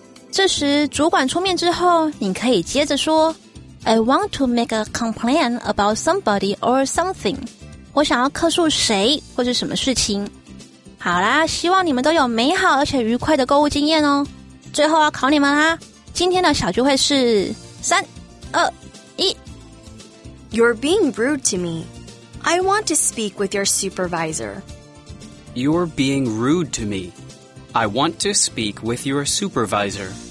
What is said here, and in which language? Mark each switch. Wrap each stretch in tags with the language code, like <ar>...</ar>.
<zh>这时主管出面之后，你可以接着说</zh> <en>I want to make a complaint about somebody or something.</en> <zh>我想要客诉谁或是什么事情。好啦，希望你们都有美好而且愉快的购物经验哦。最后要考你们啦，今天的小聚会是三二一。</zh> <en>You're being rude to me. I want to speak with your supervisor. You're being rude to me. I want to speak with your supervisor.</en>